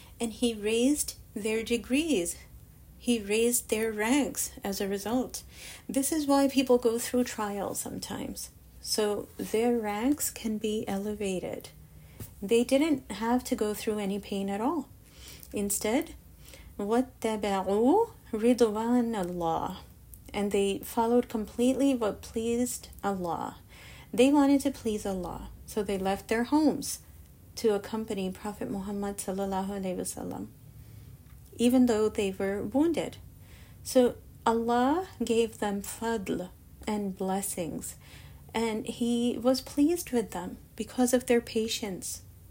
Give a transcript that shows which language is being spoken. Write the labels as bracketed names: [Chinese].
[English] And He raised their degrees. He raised their ranks as a result. This is why people go through trials sometimes. So their ranks can be elevated. They didn't have to go through any pain at all. Instead, [Arabic] وَاتَّبَعُوا رِضْوَانَ اللَّهِ. [English] And they followed completely what pleased Allah. They wanted to please Allah, so they left their homes to accompany Prophet Muhammad sallallahu alaihi wasallam, even though they were wounded. So Allah gave them fadl and blessings, and He was pleased with them because of their patience.